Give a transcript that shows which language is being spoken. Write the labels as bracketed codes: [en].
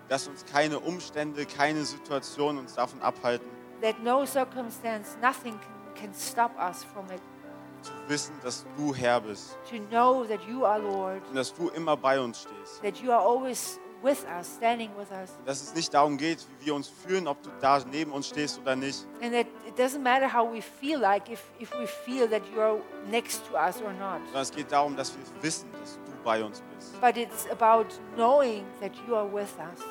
[de] Dass uns keine Umstände, keine Situation uns davon abhalten. [en] That no circumstance, nothing can stop us from it. [de] Zu wissen, dass du Herr bist. [en] To know that you are Lord. [de] Und dass du immer bei uns stehst. [en] That you are always with us, standing with us. [de] Dass es nicht darum geht, wie wir uns fühlen, ob du da neben uns stehst oder nicht. [en] And that it doesn't matter how we feel like, if we feel that you are next to us or not. [de] Sondern es geht darum, dass wir wissen, dass du bei uns bist. [en] But it's about knowing that you are with us.